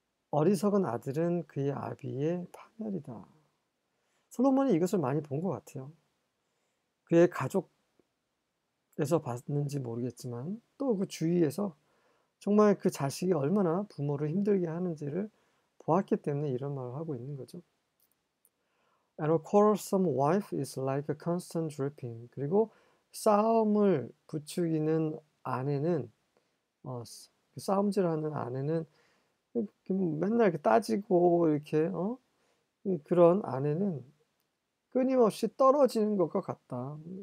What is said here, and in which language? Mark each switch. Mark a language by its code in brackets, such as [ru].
[ko] 어리석은 아들은 그의 아비의 파멸이다. 솔로몬이 이것을 많이 본것 같아요. 그의 가족에서 봤는지 모르겠지만 또그 주위에서 정말 그 자식이 얼마나 부모를 힘들게 하는지를 보았기 때문에 이런 말을 하고 있는 거죠. [en] And a quarrelsome wife is like a constant dripping. [ko] 그리고 싸움을 부추기는 아내는 싸움질하는 아내는 맨날 이렇게 따지고 이렇게 그런 아내는 끊임없이 떨어지는 것과 같다.